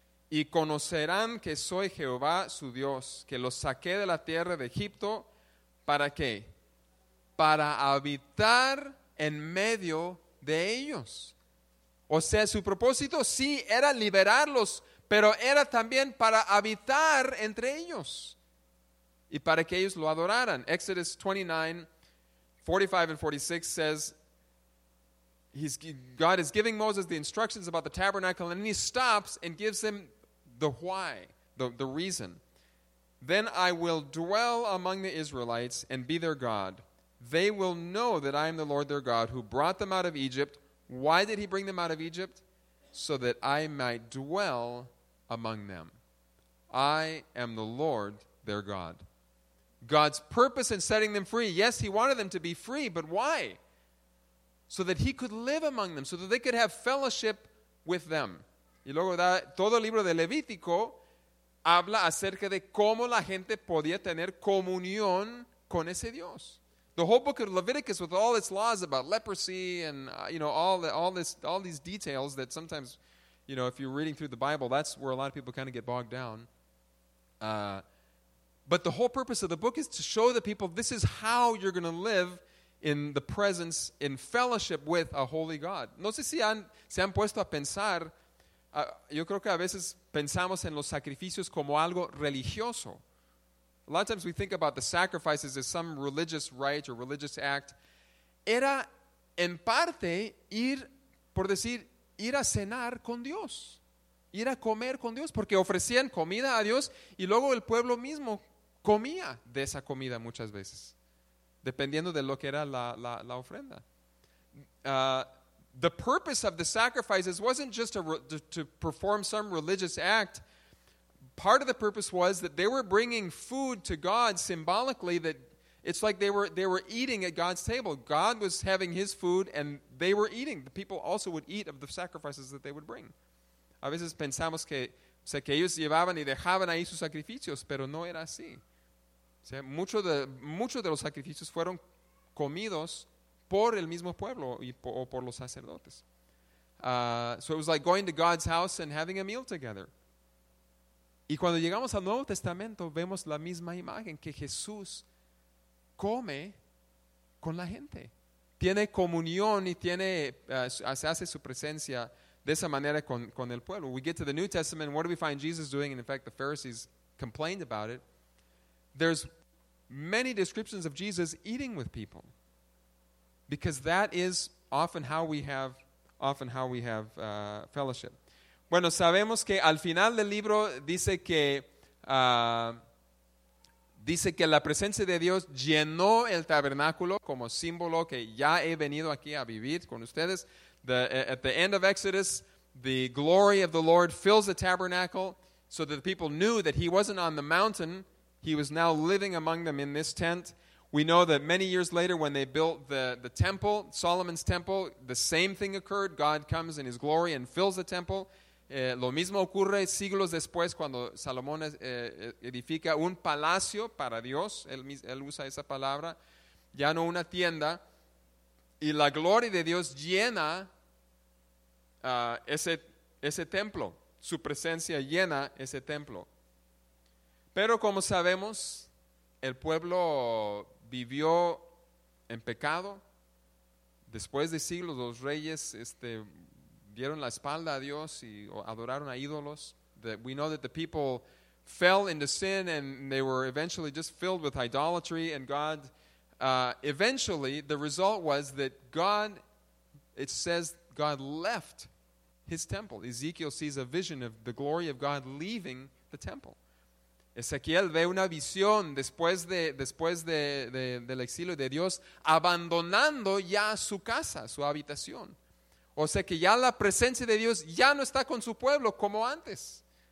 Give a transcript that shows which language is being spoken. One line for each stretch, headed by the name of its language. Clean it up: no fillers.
Spanish: Y conocerán que soy Jehová su Dios, que los saqué de la tierra de Egipto, ¿para qué? Para habitar en medio de ellos. O sea, su propósito sí era liberarlos, pero era también para habitar entre ellos y para que ellos lo adoraran.
English: Exodus 29, 45 and 46 says, God is giving Moses the instructions about the tabernacle, and then he stops and gives him the why, the reason. Then I will dwell among the Israelites and be their God. They will know that I am the Lord their God who brought them out of Egypt. Why did he bring them out of Egypt? So that I might dwell among them. I am the Lord their God. God's purpose in setting them free. Yes, he wanted them to be free, but why? So that he could live among them, so that they could have fellowship with them.
Spanish: Y luego da todo el libro de Levítico habla acerca de cómo la gente podía tener comunión con ese Dios.
English: The whole book of Leviticus, with all its laws about leprosy and all these details that sometimes, you know, if you're reading through the Bible, that's where a lot of people kind of get bogged down. But the whole purpose of the book is to show the people this is how you're going to live in the presence, in fellowship with a holy God.
Spanish: No sé si se han puesto a pensar, yo creo que a veces pensamos en los sacrificios como algo religioso.
English: A lot of times we think about the sacrifices as some religious rite or religious act.
Spanish: Era, en parte, ir, por decir, ir a cenar con Dios, ir a comer con Dios, porque ofrecían comida a Dios y luego el pueblo mismo comía de esa comida muchas veces, dependiendo de lo que era la ofrenda.
English: The purpose of the sacrifices wasn't just to perform some religious act. Part of the purpose was that they were bringing food to God symbolically, that it's like they were eating at God's table. God was having his food and they were eating. The people also would eat of the sacrifices that they would bring.
Spanish: A veces pensamos que, o sea, que ellos llevaban y dejaban ahí sus sacrificios, pero no era así. O sea, muchos de los sacrificios fueron comidos por el mismo pueblo o por los sacerdotes.
English: So it was like going to God's house and having a meal together.
Spanish: Y cuando llegamos al Nuevo Testamento, vemos la misma imagen, que Jesús come con la gente. Tiene comunión y hace su presencia de esa manera con el pueblo.
English: We get to the New Testament, what do we find Jesus doing? And in fact, the Pharisees complained about it. There's many descriptions of Jesus eating with people, because that is often how we have fellowship.
Spanish: Bueno, sabemos que al final del libro dice que la presencia de Dios llenó el tabernáculo como símbolo que ya he venido aquí a vivir con ustedes.
English: At the end of Exodus, the glory of the Lord fills the tabernacle so that the people knew that he wasn't on the mountain. He was now living among them in this tent. We know that many years later when they built the temple, Solomon's temple, the same thing occurred. God comes in his glory and fills the temple.
Spanish: Lo mismo ocurre siglos después cuando Salomón edifica un palacio para Dios. Él usa esa palabra. Ya no una tienda. Y la gloria de Dios llena ese templo. Su presencia llena ese templo. Pero como sabemos, el pueblo vivió en pecado. Después de siglos, los reyes dieron la espalda a Dios y adoraron a ídolos.
English: We know that the people fell into sin and they were eventually just filled with idolatry. And God, eventually, the result was that God left his temple. Ezekiel sees a vision of the glory of God leaving the temple.
Spanish: Ezequiel ve una visión después del exilio de Dios, abandonando ya su casa, su habitación. O sea que ya la presencia de Dios ya no está con su pueblo como antes.